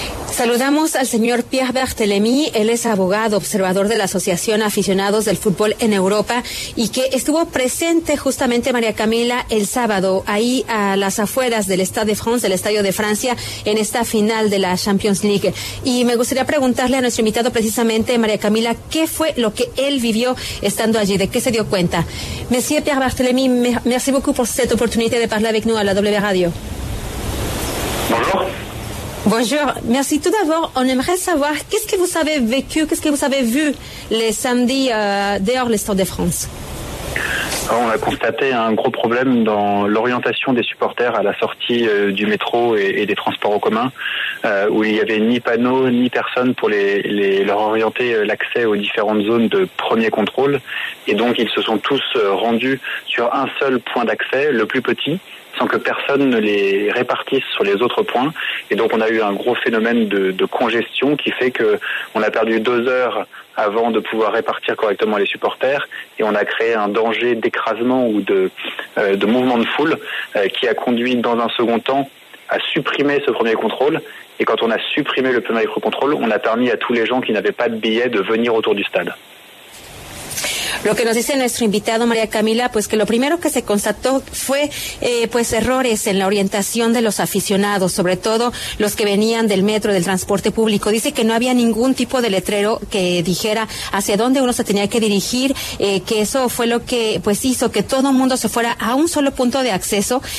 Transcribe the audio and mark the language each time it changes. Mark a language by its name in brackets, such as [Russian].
[Spanish] Saludamos al señor Pierre Barthélemy, él es abogado, observador de la Asociación Aficionados del Fútbol en Europa y que estuvo presente justamente, María Camila, el sábado ahí a las afueras del Stade de France, del Estadio de Francia, en esta final de la Champions League. Y me gustaría preguntarle a nuestro invitado precisamente, María Camila, ¿qué fue lo que él vivió estando allí? ¿De qué se dio cuenta? [French] Monsieur Pierre Barthélemy, merci beaucoup por cette opportunité de parler avec nous à la W Radio. Bonjour, merci. Tout d'abord, on aimerait savoir qu'est-ce que vous avez vécu, qu'est-ce que vous avez vu les samedis dehors le Stade de France. Alors, on a constaté un gros problème dans l'orientation des supporters à la sortie du métro et des transports en commun, où il n'y avait ni panneau ni personne pour leur orienter l'accès aux différentes zones de premier contrôle. Et donc, ils se sont tous rendus sur un seul point d'accès, le plus petit, sans que personne ne les répartisse sur les autres points. Et donc, on a eu un gros phénomène de congestion qui fait que on a perdu 2 heures avant de pouvoir répartir correctement les supporters. Et on a créé un danger d'écrasement ou de mouvement de foule qui a conduit, dans un second temps, à supprimer ce premier contrôle. Et quand on a supprimé le premier contrôle, on a permis à tous les gens qui n'avaient pas de billets de venir autour du stade. [Spanish] Lo que nos dice nuestro invitado, María Camila, pues que lo primero que se constató fue pues errores en la orientación de los aficionados, sobre todo los que venían del metro, del transporte público. Dice que no había ningún tipo de letrero que dijera hacia dónde uno se tenía que dirigir, que eso fue lo que pues hizo que todo mundo se fuera a un solo punto de acceso